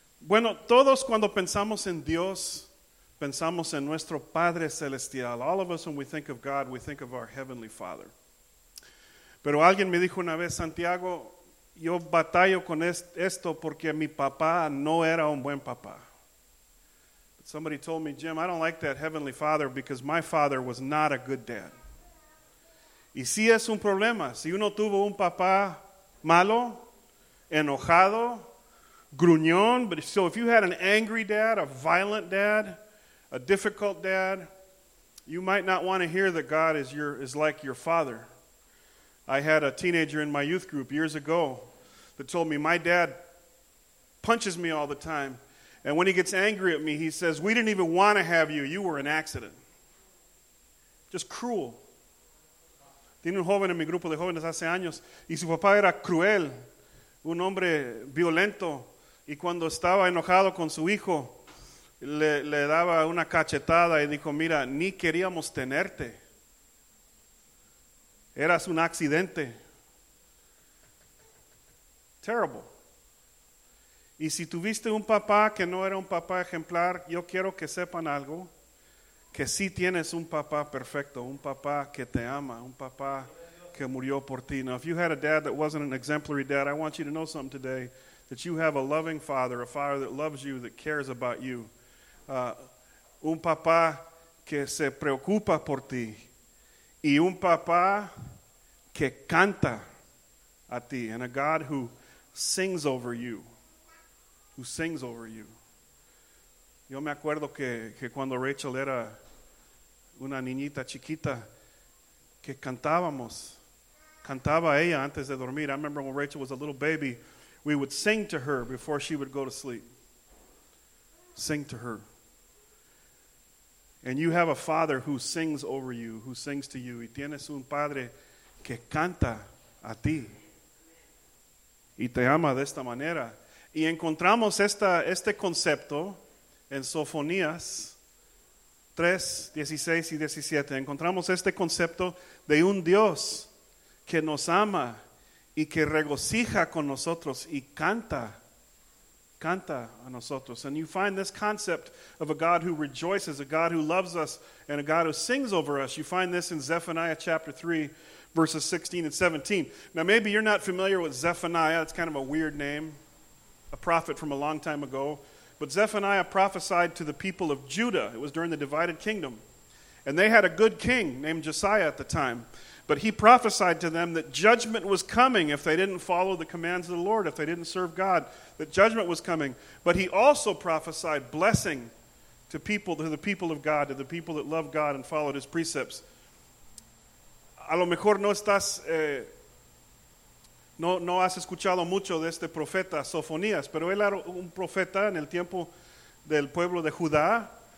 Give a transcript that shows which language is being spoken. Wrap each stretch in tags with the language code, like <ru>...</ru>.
<es>Bueno, todos cuando pensamos en Dios, pensamos en nuestro Padre Celestial.</es> <en>All of us, when we think of God, we think of our Heavenly Father.</en> <es>Pero alguien me dijo una vez, Santiago, yo batallo con esto porque mi papá no era un buen papá.</es> <en>But somebody told me, Jim, I don't like that Heavenly Father because my father was not a good dad.</en> <es>Y sí es un problema. Si uno tuvo un papá malo, enojado, gruñón.</es> <en>But so if you had an angry dad, a violent dad, a difficult dad, you might not want to hear that God is like your father. I had a teenager in my youth group years ago that told me, my dad punches me all the time. And when he gets angry at me, he says, we didn't even want to have you. You were an accident. Just cruel.</en> <es>Tiene un joven en mi grupo de jóvenes hace años. Y su papá era cruel. Un hombre violento. Y cuando estaba enojado con su hijo, le daba una cachetada y dijo, mira, ni queríamos tenerte. Eras un accidente. Terrible. Y si tuviste un papá que no era un papá ejemplar, yo quiero que sepan algo, que sí tienes un papá perfecto, un papá que te ama, un papá que murió por ti.</es> <en>Now, if you had a dad that wasn't an exemplary dad, I want you to know something today, that you have a loving father, a father that loves you, that cares about you.</en> <es>Un papá que se preocupa por ti. Y un papá que canta a ti.</es> <en>And a God who sings over you. Who sings over you.</en> <es>Yo me acuerdo que cuando Rachel era una niñita chiquita, que cantábamos. Cantaba ella antes de dormir.</es> <en>I remember when Rachel was a little baby, we would sing to her before she would go to sleep. Sing to her. And you have a father who sings over you, who sings to you.</en> <es>Y tienes un padre que canta a ti. Y te ama de esta manera. Y encontramos este concepto en Sofonías 3, 16 y 17. Encontramos este concepto de un Dios que nos ama y que regocija con nosotros y canta. Canta a nosotros.</es> <en>And you find this concept of a God who rejoices, a God who loves us, and a God who sings over us. You find this in Zephaniah chapter 3, verses 16 and 17. Now, maybe you're not familiar with Zephaniah. It's kind of a weird name, a prophet from a long time ago. But Zephaniah prophesied to the people of Judah. It was during the divided kingdom. And they had a good king named Josiah at the time. But he prophesied to them that judgment was coming if they didn't follow the commands of the Lord, if they didn't serve God, that judgment was coming. But he also prophesied blessing to the people of God, to the people that loved God and followed his precepts.</en> <es>A lo mejor no estás, no has escuchado mucho de este profeta Sofonías, pero él era un profeta en el tiempo del pueblo de Judá.</es>